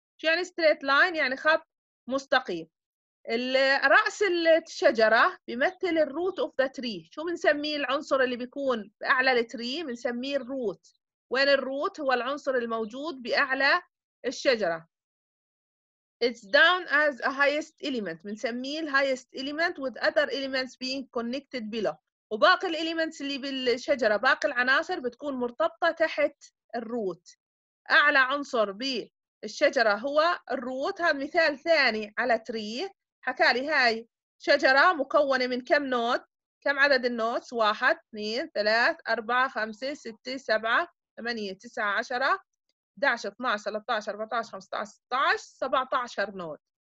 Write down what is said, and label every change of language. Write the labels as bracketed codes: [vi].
[ar] شو يعني [en] straight line؟ [ar] يعني خط مستقيم. الرأس الشجرة بمثل [en] the root of the tree. [ar] شو بنسميه العنصر اللي بيكون بأعلى التري؟ بنسميه root. وين الروت؟ هو العنصر الموجود بأعلى الشجرة. [en] It's down as a highest element. [ar] بنسميه [en] highest element with other elements being connected below. [ar] وباقي الelements اللي بالشجرة، باقي العناصر بتكون مرتبطة تحت الروت. أعلى عنصر بالشجرة هو الروت. هذا مثال ثاني على تري. حكالي هاي شجرة مكونة من كم نوت؟ كم عدد النوتس؟ 1 2 3 4 5 6 7 8 9 10 11 12 13 14 15 16 17 نود.